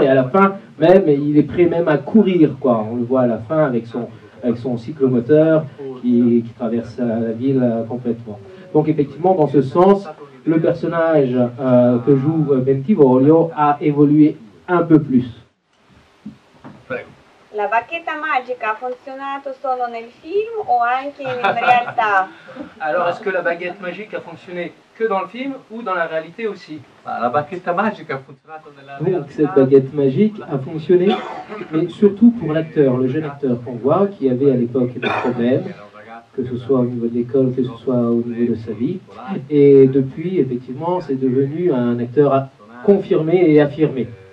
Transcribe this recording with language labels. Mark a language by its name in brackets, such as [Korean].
[French] Et à la fin, même, il est prêt même à courir, quoi. On le voit à la fin avec son cyclomoteur qui traverse la ville complètement. Donc effectivement, dans ce sens, le personnage que joue Bentivoglio a évolué un peu plus. [Italian] La bacchetta magica ha funzionato solo nel film o anche in realtà? [French] Alors, est-ce que la baguette magique a fonctionné que dans le film ou dans la réalité aussi? [Italian] La bacchetta magica ha funzionato nella realtà. [French] Donc, cette baguette magique a fonctionné, mais surtout pour l'acteur, le jeune acteur qu'on voit, qui avait à l'époque des problèmes, que ce soit au niveau de l'école, que ce soit au niveau de sa vie. Et depuis, effectivement, c'est devenu un acteur confirmé et affirmé.